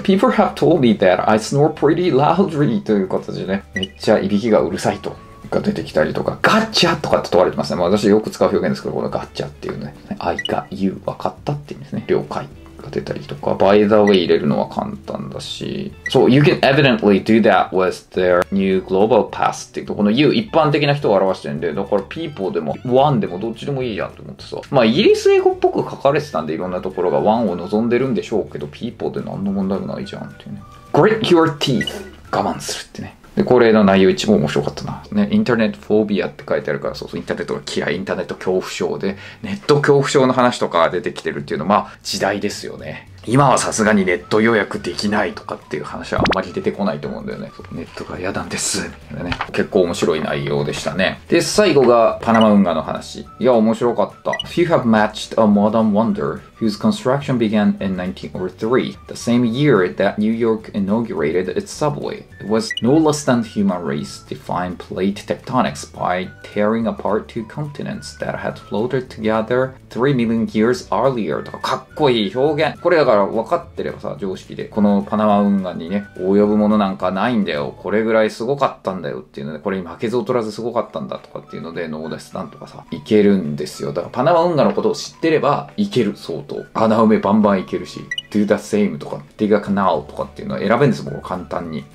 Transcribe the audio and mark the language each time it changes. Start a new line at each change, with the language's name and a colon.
English: People have told me that I snore pretty loudly
Japanese: という形でね。めっちゃいびきがうるさいとか出てきたりとか、ガッチャとかって問われてますね。まあ、私よく使う表現ですけど、このガッチャっていうね。
English: I got you
Japanese: 分かったっていうんですね。了解が出たりとか、
English: By the way
Japanese: 入れるのは簡単だし。
English: So you can evidently do that with their new global pass
Japanese: っていうと、この you 一般的な人を表してるんで、だから people でも one でもどっちでもいいやんと思ってさ。まあイギリス英語っぽく書かれてたんで、いろんなところが one を望んでるんでしょうけど、people で何の問題もないじゃんっていうね。
English: Grit your teeth
Japanese: 我慢するってね。で、これの内容一も面白かったな。ね、インターネットフォービアって書いてあるから、そうそう、インターネットの嫌い、インターネット恐怖症で、ネット恐怖症の話とか出てきてるっていうのは、まあ、時代ですよね。今はさすがにネット予約できないとかっていう話はあんまり出てこないと思うんだよね。ネットが嫌なんです。ね、結構面白い内容でしたね。で、最後がパナマ運河の話。いや、面白かった。
English: If you have matched a modern wonder whose construction began in 1903, the same year that New York inaugurated its subway, it was no less than human race defined plate tectonics by tearing apart two continents that had floated together 3 million years earlier.
Japanese: とか、かっこいい表現。これだから分かってればさ、常識でこのパナマ運河にね及ぶものなんかないんだよ、これぐらいすごかったんだよっていうので、これに負けず劣らずすごかったんだとかっていうので、ノーダスなんとかさいけるんですよ。だからパナマ運河のことを知ってればいける、相当穴埋めバンバンいけるし、
English: Do the same
Japanese: とか
English: Dig a canal
Japanese: とかっていうのは選べんですもん、簡単に。